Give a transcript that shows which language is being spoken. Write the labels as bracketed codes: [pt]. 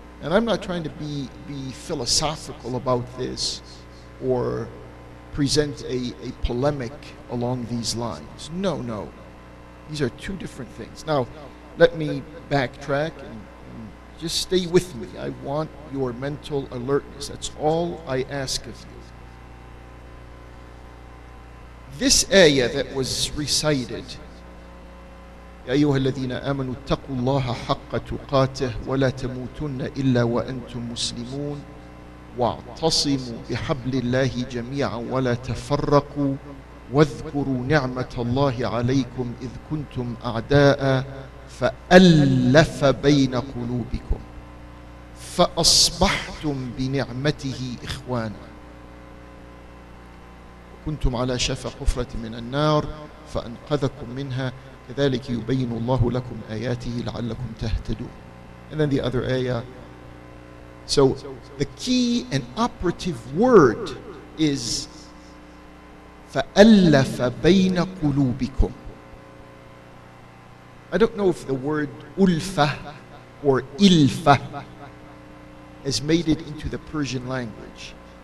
[en] And I'm not trying to be philosophical about this or present a polemic along these lines. No, no. These are two different things. Now, let me backtrack and just stay with me. I want your mental alertness. That's all I ask of you. This ayah that was recited, [ar] أيها الذين آمنوا اتقوا الله حق تقاته ولا تموتن إلا وأنتم مسلمون واعتصموا بحبل الله جميعا ولا تفرقوا واذكروا نعمة الله عليكم إذ كنتم أعداء فألف بين قلوبكم فأصبحتم بنعمته إخوانا كنتم على شفا حفرة من النار فأنقذكم منها كذلك يبين الله لكم آياته لعلكم تهتدون. [en] And then the other ayah. So the key and operative word is [ar] فألف بين قلوبكم. [en] I don't know if the word ألفة or إلفة has made it into the Persian language.